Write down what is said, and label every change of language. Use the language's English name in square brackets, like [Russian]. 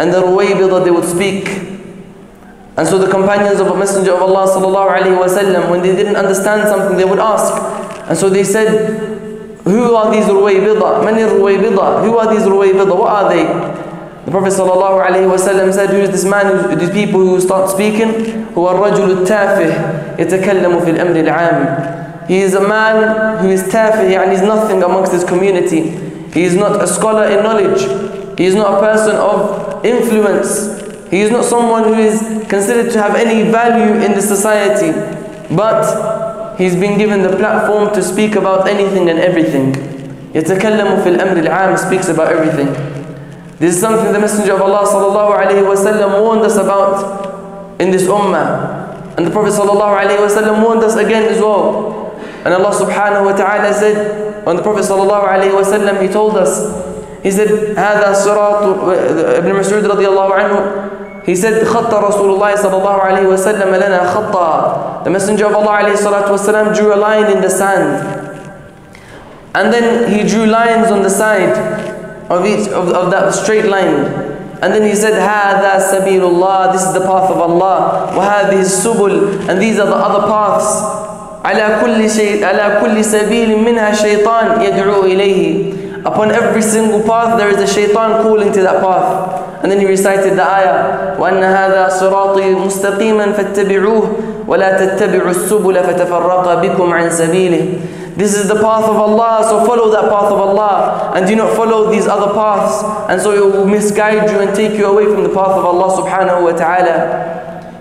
[English] And the ruwaybida, they would speak. And so the companions of the Messenger of Allah sallallahu alayhi wa sallam, when they didn't understand something, they would ask. And so they said, who are these ruwaybida? Many ruwaybida? Who are these ruwaybida? What are they? The Prophet sallallahu alayhi wa sallam said, who is this man, these people who start speaking? [Arabic] هو الرجل التافه يتكلم في الأمر العام. [English] He is a man who is tafih, and he is nothing amongst his community. He is not a scholar in knowledge. He is not a person of influence. He is not someone who is considered to have any value in the society, but he's been given the platform to speak about anything and everything. [Arabic] يتكلم في الأمر العام, [English] speaks about everything. This is something the Messenger of Allah sallallahu alayhi wa sallam warned us about in this ummah. And the Prophet sallallahu alayhi wa sallam warned us again as well. And Allah subhanahu wa ta'ala said, when the Prophet sallallahu alayhi wa sallam, he told us, he said, [Arabic] هذا صراط ابن مسعود رضي الله عنه. [English] He said, [Arabic] خط رسول الله صلى الله عليه وسلم لنا خطا. [English] The Messenger of Allah [Arabic] عليه الصلاة والسلام [English] drew a line in the sand. And then he drew lines on the side of each of that straight line. And then he said, [Arabic] هذا سبيل الله. [English] This is the path of Allah. [Arabic] وهذه السبل. [English] And these are the other paths. [Arabic] على كل شيء على كل سبيل منها شيطان يدعو إليه. [English] Upon every single path, there is a shaitan calling to that path. And then he recited the ayah, [Arabic] وَأَنَّ هَذَا صِرَاطِي مُسْتَقِيمًا فَاتَّبِعُوهُ وَلَا تَتَّبِعُوا السُّبُلَ فَتَفَرَّقَ بِكُمْ عَنْ سَبِيلِهِ. [English] This is the path of Allah, so follow that path of Allah, and do not follow these other paths, and so it will misguide you and take you away from the path of Allah subhanahu wa ta'ala.